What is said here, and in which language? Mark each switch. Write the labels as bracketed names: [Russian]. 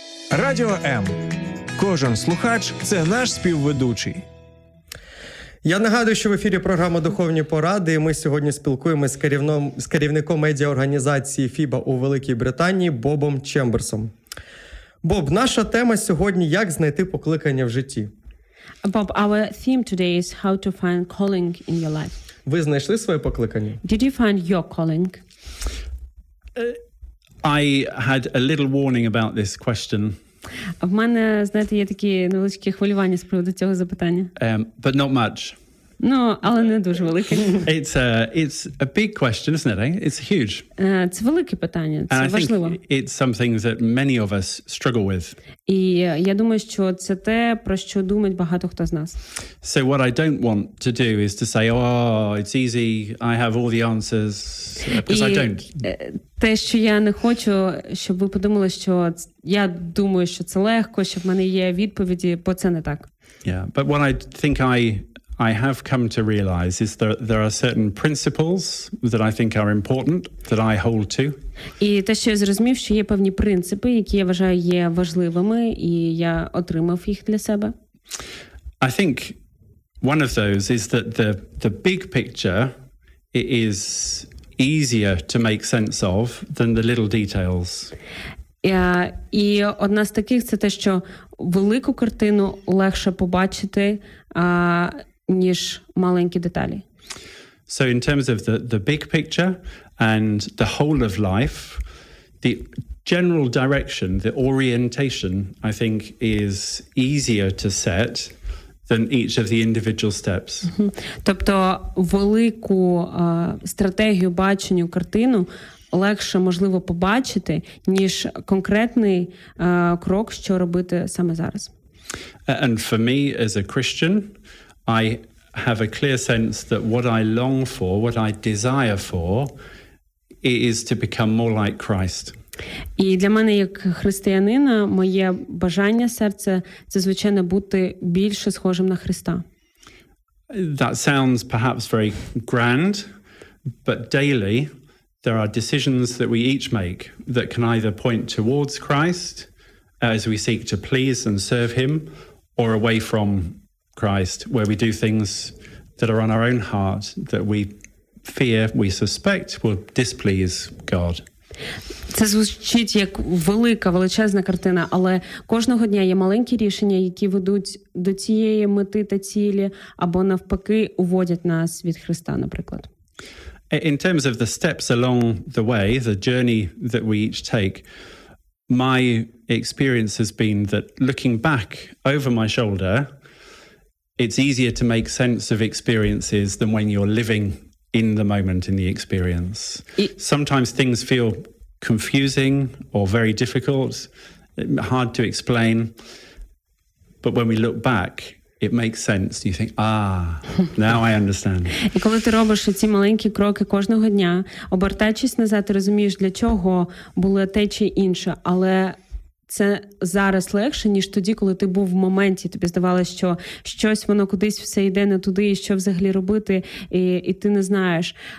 [Ukrainian] Радіо М. Кожен слухач – це наш співведучий. Я нагадую, що в ефірі програма «Духовні поради», і ми сьогодні спілкуємося з керівником медіаорганізації FIBA у Великій Британії Бобом Чемберсом. Боб, наша тема сьогодні – як знайти покликання в житті. [English] Bob, our theme today is how to find calling in your life. [Ukrainian] Ви знайшли своє покликання? [English] Did you find your calling? I had a little warning about this question. [Ukrainian] В мене, знаєте, є такі невеличкі хвилювання з приводу цього запитання. [English] But not much. [Ukrainian] Ну, але не дуже велике. [English] It's a big question, isn't it? Eh? It's huge. [Ukrainian] Це велике питання, це [English] And [Ukrainian] важливо. [English] I think it's something that many of us struggle with. [Ukrainian] І я думаю, що це те, про що думають багато хто з нас. [English] So what I don't want to do is to say, oh, it's easy, I have all the answers, because I don't. [Ukrainian] Те, що я не хочу, щоб ви подумали, що я думаю, що це легко, що в мене є відповіді, бо це не так. [English] Yeah, but what I think I have come to realize is that there are certain principles that I think are important that I hold to. [Ukrainian] І те, що я зрозумів, що є певні принципи, які я вважаю є важливими, і я отримав їх для себе. [English] I think one of those is that the big picture is easier to make sense of than the little details. [Ukrainian] І одна з таких це те, що велику картину легше побачити, ніж маленькі деталі. [English] So in terms of the big picture and the whole of life, the general direction, the orientation, I think is easier to set than each of the individual steps. [Ukrainian] Тобто велику стратегію, баченню, картину легше, можливо, побачити, ніж конкретний крок, що робити саме зараз. [English] And for me as a Christian, I have a clear sense that what I long for, what I desire for, is to become more like Christ. [Ukrainian] І для мене як християнина, моє бажання серця це звичайно бути більше схожим на Христа. [English] That sounds perhaps very grand, but daily there are decisions that we each make that can either point towards Christ as we seek to please and serve him or away from Christ, where we do things that are on our own heart, that we fear, we suspect will displease God. [Ukrainian] Це звучить як велика, величезна картина, але кожного дня є маленькі рішення, які ведуть до цієї мети та цілі, або навпаки, уводять нас від Христа, наприклад. [English] In terms of the steps along the way, the journey that we each take, my experience has been that looking back over my shoulder, it's easier to make sense of experiences than when you're living in the moment, in the experience. Sometimes things feel confusing or very difficult, hard to explain. But when we look back, it makes sense. You think, ah, now I understand. [Ukrainian] І коли ти робиш ці маленькі кроки кожного дня, обертаючись назад, ти розумієш, для чого було те чи інше, але це зараз легше, ніж тоді, коли ти був в моменті, тобі здавалося, що щось воно кудись все йде не туди, і що взагалі робити, і ти не знаєш.